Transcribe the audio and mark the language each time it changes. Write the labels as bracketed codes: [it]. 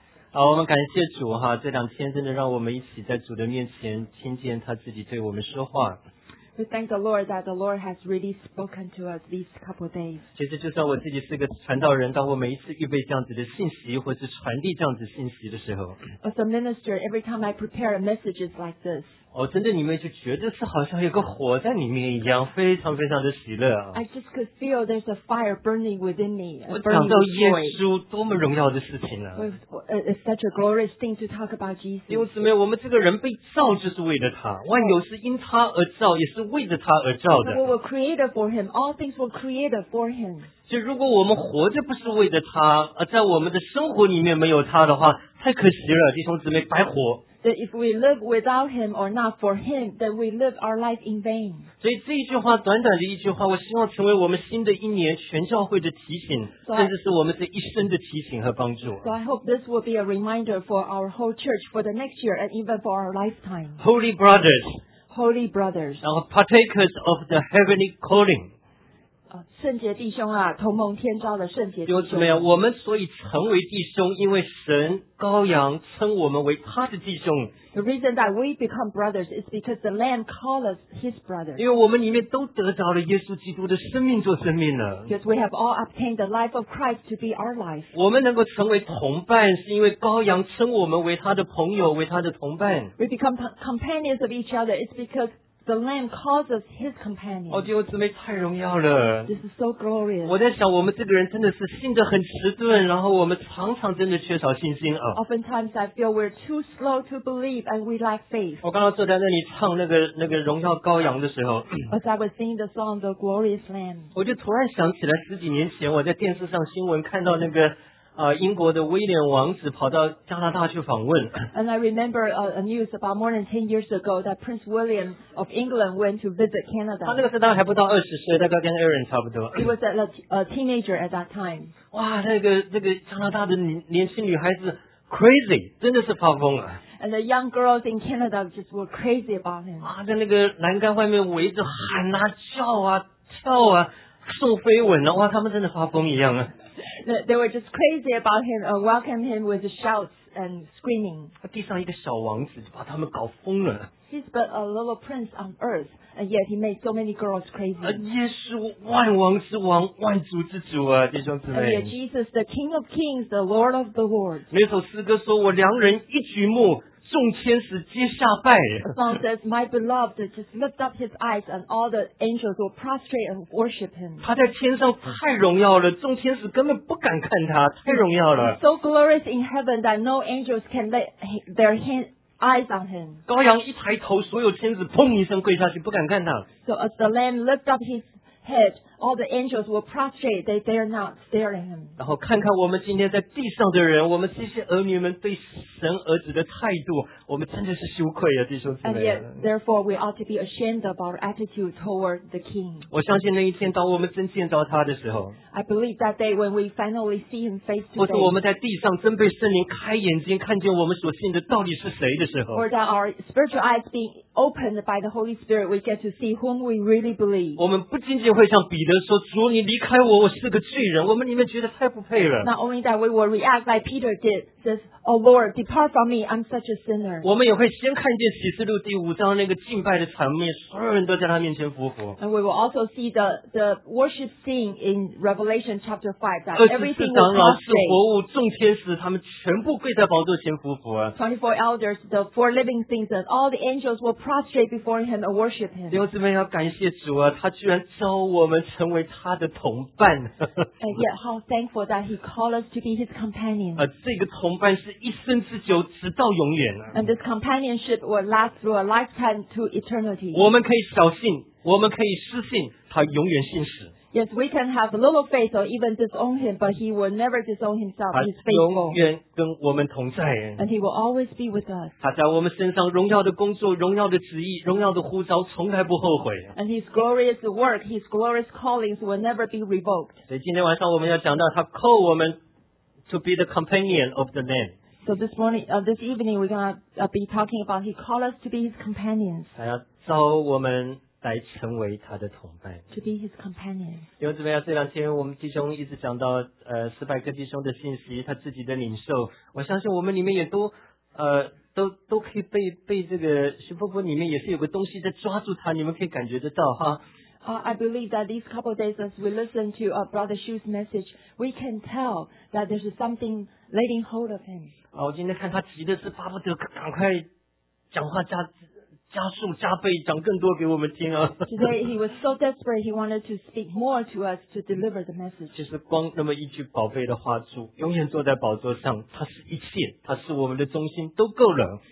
[zh] 好，我们感谢主哈，这两天真的让我们一起在主的面前听见他自己对我们说话。 [en] We thank the Lord that the Lord has really spoken to us these couple of days. [zh] 其实就算我自己是个传道人，当我每一次预备这样子的信息或是传递这样子信息的时候， [en] As a minister, every time I prepare messages like this, [zh] 哦，真的你们就觉得是好像有个火在里面一样，非常非常的喜乐啊。 [en] I just could feel there's a fire burning within me. [zh] 我讲到耶稣多么荣耀的事情啊。 [en] It's such a glorious thing to talk about Jesus. [zh] 因为姊妹，我们这个人被造就是为了他，万有是因他而造，也是为着他而造的。 [en] We were created for him. All things were created for him. [zh] 就如果我们活着不是为着他，而在我们的生活里面没有他的话，太可惜了，弟兄姊妹，白活。 [en] That if we live without him or not for him, then we live our life in vain. [zh] 所以这一句话，短短的一句话，我希望成为我们新的一年全教会的提醒，甚至是我们这一生的提醒和帮助。 [en] So I hope this will be a reminder for our whole church for the next year and even for our lifetime. Holy brothers. Now partakers of the heavenly calling. [zh] 圣洁弟兄啊，同蒙天召的圣洁弟兄。弟兄姊妹，我们所以成为弟兄，因为神羔羊称我们为他的弟兄。 [en] The reason that we become brothers is because the Lamb called us His brothers. [zh] 因为我们里面都得着了耶稣基督的生命做生命了。 [en] Because we have all obtained the life of Christ to be our life. [zh] 我们能够成为同伴，是因为羔羊称我们为他的朋友，为他的同伴。 [en] We become companions of each other. It's because the Lamb calls us His companion. [zh] 哦，弟兄姊妹，太荣耀了。 [en] This is so glorious. [zh] 我在想，我们这个人真的是信得很迟钝，然后我们常常真的缺少信心啊。 [en] Oftentimes I feel we're too slow to believe and we lack faith. [zh] 我刚刚坐在那里唱那个荣耀羔羊的时候， [en] As I was singing the song The Glorious Lamb, [zh] 我就突然想起来十几年前我在电视上新闻看到那个英国的威廉王子跑到加拿大去访问。 [en] And I remember a news about more than 10 years ago that Prince William of England went to visit Canada. [zh] 他那个时候还不到20岁，大概跟 Aaron 差不多。 [en] He was a teenager at that time. [zh] 哇，那个加拿大的年轻女孩子 crazy， 真的是发疯了。 [en] And the young girls in Canada just were crazy about him. [zh] 啊，在那个栏杆外面围着喊啊、叫啊、跳啊、送飞吻啊，哇，他们真的发疯一样啊。 [en] They were just crazy about him and welcomed him with shouts and screaming. [zh] 地上一个小王子把他们搞疯了。 [en] He's but a little prince on earth, and yet he made so many girls crazy. [zh] 耶稣万王之王，万主之主啊，弟兄姊妹。 [en] And yet Jesus, the King of Kings, the Lord of the Lords. [zh] 那首诗歌说，我良人一举目，众天使皆下拜。 [en] The song says, My beloved just lift up his eyes and all the angels will prostrate and worship him. [zh] 他在天上太荣耀了，众天使根本不敢看他，太荣耀了。 [en] He's so glorious in heaven that no angels can lay their hands. Eyes on him. [zh] 羔羊一抬头，所有天使砰一声跪下去，不敢看他。 [en] So as the lamb lifted up his head, all the angels were prostrate. They dare not stare at him. [zh] 然后看看我们今天在地上的人，我们这些儿女们对神儿子的态度，我们真的是羞愧啊，弟兄姊妹。 [en] And yet, therefore, we ought to be ashamed of our attitude toward the King. [zh] 我相信那一天，当我们真见到他的时候 [en] ，I believe that day when we finally see him face to face. [zh] 或者我们在地上真被圣灵开眼睛，看见我们所信的到底是谁的时候 [en] ，Or that our spiritual eyes be opened by the Holy Spirit, we get to see whom we really believe. [zh] 我们不仅仅会像彼得说，主你离开我，我是个罪人，我们里面觉得太不配了。 [en] Not only that, we will react like Peter did, says, Oh Lord, depart from me, I'm such a sinner. [zh] 我们也会先看见启示录第五章那个敬拜的场面，所有人都在他面前匍匐。 [en] And we will also see the worship scene in Revelation chapter 5, that everything was prostrate. [zh] 24长老、四活物、众天使，他们全部跪在宝座前匍匐。 [en] 24 elders, the four living things, and all the angels were prostrate before him and worship him. [zh] 弟兄姊妹要感谢主啊，他居然招我们成为他的同伴。 [en] And yet how thankful that he called us to be his companion. [zh] 这个同伴是一生之久，直到永远啊。 [en] And this companionship will last through a lifetime to eternity. [zh] 我们可以小信，我们可以失信，他永远信实。 [en] Yes, we can have a little faith or even disown him, but he will never disown himself. He's faithful. [zh] 他永远跟我们同在。 [en] And he will always be with us. [zh] 他在我们身上荣耀的工作、荣耀的旨意、荣耀的呼召，从来不后悔。 [en] And his glorious work, his glorious callings will never be revoked. [zh] 所以今天晚上我们要讲到他 call 我们 [en] to be the companion of the Lamb. So this morning, this evening, we're going to be talking about he called us to be his companions. [zh] 他要招我们来成为他的同伴。 [en] To be his companion. [zh] 因为怎么样，这两天我们弟兄一直讲到斯派克弟兄的信息，他自己的领受。我相信我们里面也都可以被这个徐波波里面也是有个东西在抓住他，你们可以感觉得到哈。 [en] I believe that these couple of days as we listen to Brother Xu's message, we can tell that there's something laying hold of him. [zh] 我今天看他急的是巴不得赶快讲话加速加倍讲更多给我们听啊。 [en] Today he was so desperate he wanted to speak more to us to deliver the message. [zh] 就是光那么一句宝贝的话，主永远坐在宝座上，他是一切，他是我们的中心，都够了。